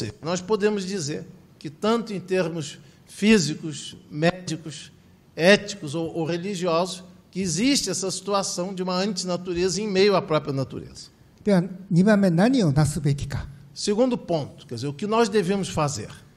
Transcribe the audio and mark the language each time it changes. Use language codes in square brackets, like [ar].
[pt] Nós podemos dizer que tanto em termos físicos, médicos, éticos ou religiosos, que existe essa situação de uma antinatureza em meio à própria natureza. [ja] では、2番目何をなすべきか? [pt] Segundo ponto, quer dizer, o que nós devemos fazer?